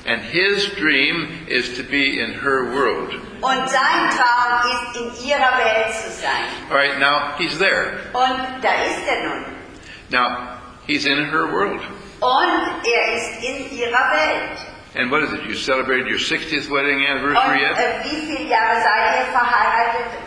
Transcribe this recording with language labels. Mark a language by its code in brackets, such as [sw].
[en] And his dream is to be in her world. [de] Und sein Traum ist, in ihrer Welt zu sein. [en] All right, now he's there. [de] Und da ist er nun. [en] Now, he's in her world. [de] Und ist in ihrer Welt. [en] And what is it? You celebrated your 60th wedding anniversary yet? [de] Und wie viele Jahre seid ihr verheiratet?